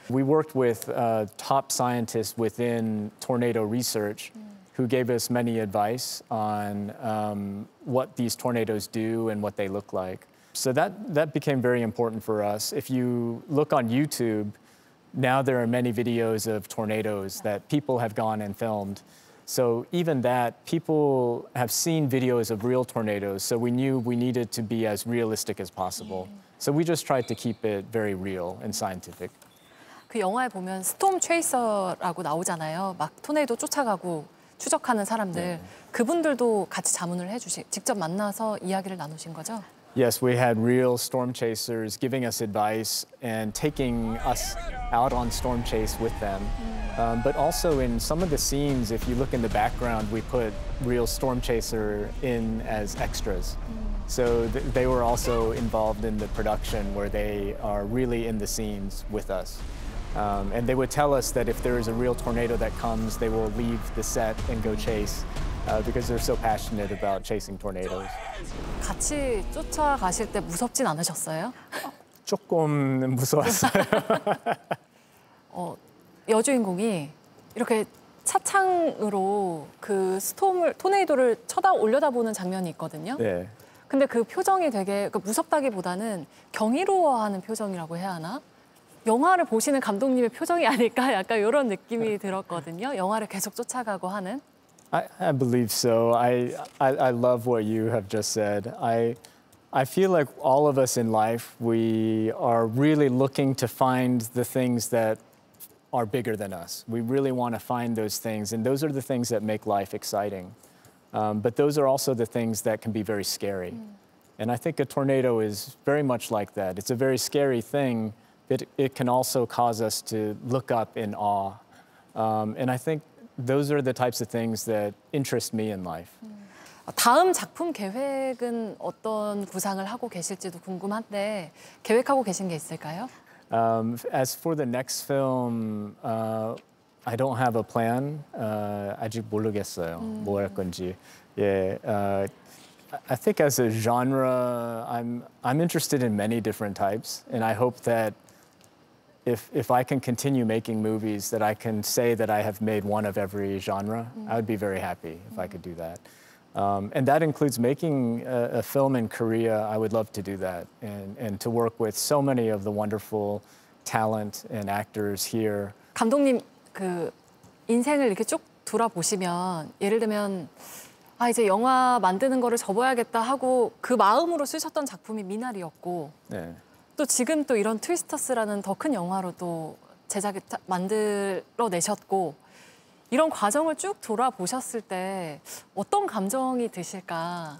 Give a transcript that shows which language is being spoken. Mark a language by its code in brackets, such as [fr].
[en] We worked with top scientists within tornado research who gave us many advice on what these tornadoes do and what they look like. So that became very important for us. If you look on YouTube, now there are many videos of tornadoes that people have gone and filmed. So even that, people have seen videos of real tornadoes, so we knew we needed to be as realistic as possible. So we just tried to keep it very real and scientific. [ko] 그 영화에 보면 스톰 체이서라고 나오잖아요. 막 토네이도 쫓아가고 추적하는 사람들. 그분들도 같이 자문을 직접 만나서 이야기를 나누신 거죠? [en] Yes, we had real storm chasers giving us advice and taking us out on storm chase with them. But also in some of the scenes, if you look in the background, we put real storm chaser in as extras. So they were also involved in the production where they are really in the scenes with us. And they would tell us that if there is a real tornado that comes, they will leave the set and go chase. Because they're so passionate about chasing tornadoes. [ko] 같이 쫓아가실 때 무섭진 않으셨어요? 조금 무서웠어요. 여주인공이 이렇게 차창으로 그 토네이도를 올려다보는 장면이 있거든요. 네. 근데 그 표정이 되게 무섭다기보다는 경이로워하는 표정이라고 해야 하나? 영화를 보시는 감독님의 표정이 아닐까 약간 이런 느낌이 들었거든요. 영화를 계속 쫓아가고 하는. [en] I believe so. I love what you have just said. I feel like all of us in life, we are really looking to find the things that are bigger than us. We really want to find those things, and those are the things that make life exciting. But those are also the things that can be very scary. And I think a tornado is very much like that. It's a very scary thing, but it can also cause us to look up in awe. And I think those are the types of things that interest me in life. [ko] 다음 작품 계획은 어떤 구상을 하고 계실지도 궁금한데 계획하고 계신 게 있을까요? [en] As for the next film, I don't have a plan. [ko] 아직 모르겠어요. 뭐 할 건지. [en] I think as a genre, I'm interested in many different types, and I hope that if I can continue making movies, that I can say that I have made one of every genre. I would be very happy if I could do that. And that includes making a film in Korea. I would love to do that and to work with so many of the wonderful talent and actors here. [ko] 감독님, 그 인생을 이렇게 쭉 돌아보시면 예를 들면 아 이제 영화 만드는 거를 접어야겠다 하고 그 마음으로 쓰셨던 작품이 미나리였고 네. 또 지금 또 이런 트위스터스라는 더 큰 영화로도 제작 만들어 내셨고 이런 과정을 쭉 돌아보셨을 때 어떤 감정이 드실까?